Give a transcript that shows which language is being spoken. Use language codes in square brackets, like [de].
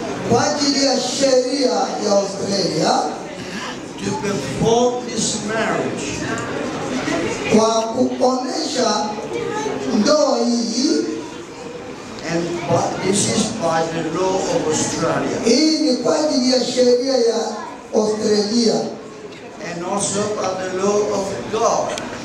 [sw] Kwa ajili ya sheria ya Australia. [en] To perform this marriage. [sw] Kwa kuonesha ndoa hii. [en] And but this is by the law of Australia. [sw] Hii ni kwa ajili ya sheria ya Australia. [en] And also by the law of God.